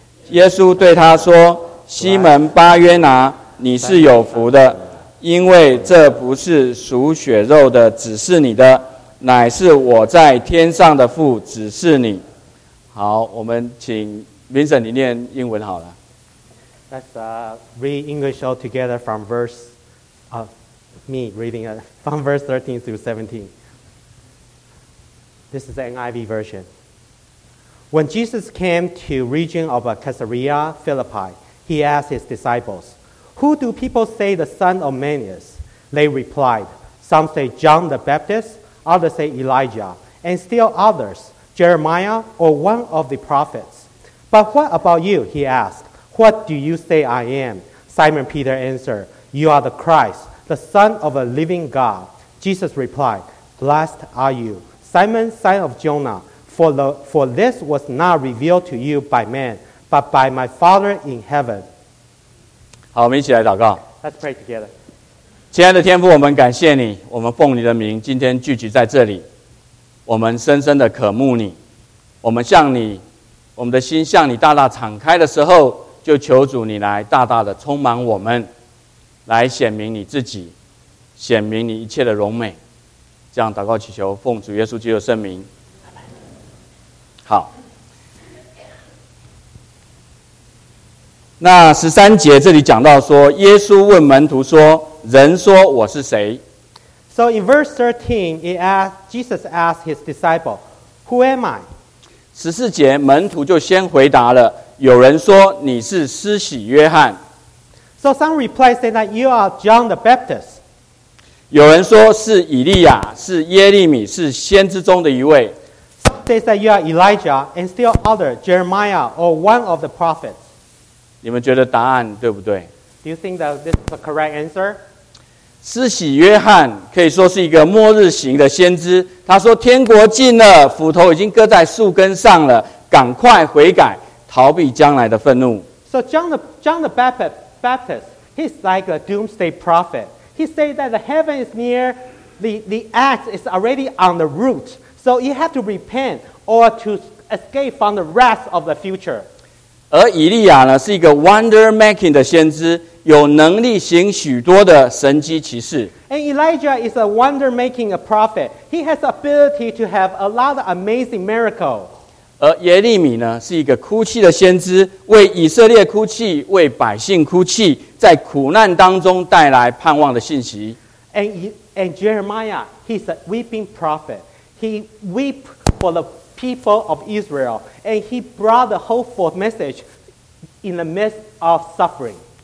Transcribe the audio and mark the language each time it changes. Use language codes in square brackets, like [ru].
[zh] 耶稣对他说，西门巴约拿，你是有福的。因为这不是属血肉的指示你的，乃是我在天上的父指示你。好，我们请 Vincent 你念英文好了。 [en] Let's read English all together from verse me reading from verse 13 through 17. This is the NIV version. When Jesus came to region of Caesarea Philippi, he asked his disciples,Who do people say the Son of Man is? They replied, Some say John the Baptist, others say Elijah, and still others, Jeremiah or one of the prophets. But what about you? He asked, What do you say I am? Simon Peter answered, You are the Christ, the Son of a living God. Jesus replied, Blessed are you, Simon, son of Jonah, for this was not revealed to you by man, but by my Father in heaven. [zh] 好，我们一起来祷告。 [en] Let's pray together. [zh] 亲爱的天父，我们感谢你，我们奉你的名今天聚集在这里，我们深深的渴慕你，我们向你，我们的心向你大大敞开的时候，就求主你来大大的充满我们，来显明你自己，显明你一切的荣美。这样祷告祈求，奉主耶稣基督圣名。好。那十三节这里讲到说，耶稣问门徒说：“人说我是谁？” [en] So in verse 13, Jesus asked his disciple, "Who am I?" [zh] 十四节门徒就先回答了：“有人说你是施洗约翰。” [en] So some reply say that you are John the Baptist. [zh] 有人说是以利亚，是耶利米，是先知中的一位。 [en] Some say that you are Elijah, and still other Jeremiah or one of the prophets. [zh] 你们觉得答案对不对？ [en] Do you think that this is the correct answer? [zh] 施洗约翰可以说是一个末日型的先知，他说天国近了，斧头已经搁在树根上了，赶快悔改，逃避将来的愤怒。 [en] So John the Baptist, he's like a doomsday prophet. He said that the heaven is near, the axe is already on the root, so you have to repent or to escape from the wrath of the future. [zh] 而以利亚呢，是一个 [en] wonder making [zh] 的先知，有能力行许多的神迹奇事。 [en] And Elijah is a wonder making a prophet. He has the ability to have a lot of amazing miracles. [zh] 而耶利米呢，是一个哭泣的先知，为以色列哭泣，为百姓哭泣，在苦难当中带来盼望的信息。 [en] And Jeremiah, he's a weeping prophet. He weep for the people of Israel, and he brought the hopeful message in the midst of suffering.